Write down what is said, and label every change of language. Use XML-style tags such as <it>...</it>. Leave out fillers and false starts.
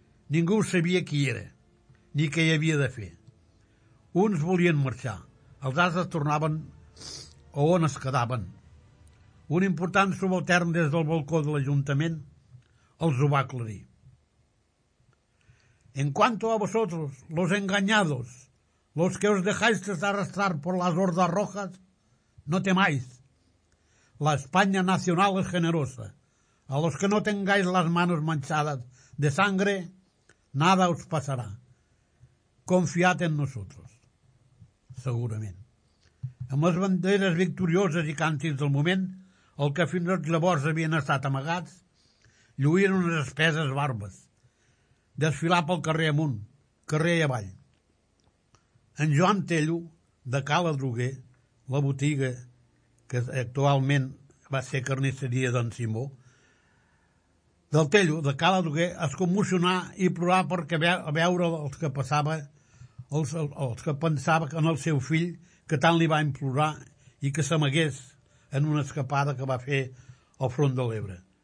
<ca>Ningú sabia qui era, ni què hi havia de fer. Uns volien marxar, els altres tornaven a on es quedaven. Un important subaltern des del balcó de l'Ajuntament els ho va aclarir.</ca> <es>En cuanto a vosotros, los engañados, los que os dejáis arrastrar por las hordas rojas, no temáis. La España nacional es generosa. A los que no tengáis las manos manchadas de sangre, nada os pasará. Confiad en nosotros. Segurament.</es> <ca>Amb les banderes victorioses i càntics del moment, el que fins llavors havien estat amagats, lluïen unes espeses barbes. Desfilar pel carrer amunt, carrer i avall. En Joan Tello, de Cala Droguer, la botiga que actualment va ser carnisseria d'en Simó, del Tello, de Cala Droguer, es commocionà i plorà perquè veure els que passava, els que pensava en el seu fill, que tant li va implorar i que s'amagués en una escapada que va fer al front de l'Ebre.</ca>